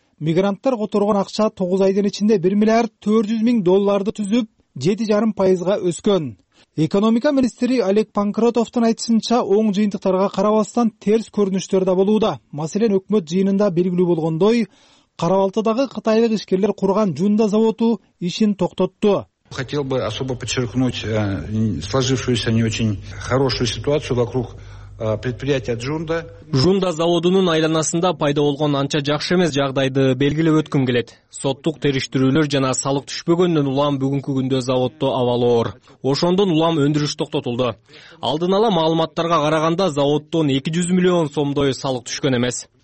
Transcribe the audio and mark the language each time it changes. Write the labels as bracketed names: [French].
[Kyrgyz] Мигранттар которгон акча 9 айдын ичинде 1.4 миллиард долларды түзүп 7.5% өскөн. Экономика министри Олег Панкратовдун айтышынча, оң жыйынтыктарга карабастан терс көрүнүштөр да болууда. Маселен, өкмөт жыйынында белгилүү болгондой, Карабалтыдагы кытайлык ишкерлер курган жунда заводу ишин токтотту. [Russian] Хотел бы особо подчеркнуть сложившуюся не очень хорошую ситуацию вокруг предприятия Джунда. [Kyrgyz] Жунда заводунун айланасында пайда болгон анча жакшы эмес жагдайды белгилеп өткүм келет. Соттук териштирүүлөр жана салык түшпөгөндөн улам бүгүнкү күндө заводдо абал оор. Ошондон улам өндүрүш токтотулду. Алдын ала маалыматтарга караганда заводдон 200 миллион сомдой салык түшкөн эмес.